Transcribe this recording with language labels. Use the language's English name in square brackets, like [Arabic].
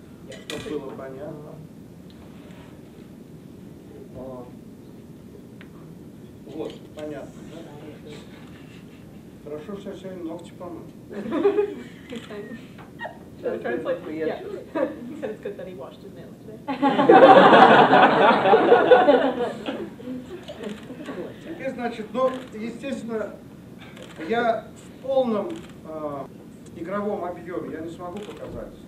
[Russian] Чтобы было понятно. Вот, понятно, да? Хорошо, что я сегодня ногти помыл. [English] He said it's good that he washed his nails today. [Russian] И значит, ну, естественно, я в полном игровом объеме, я не смогу показать.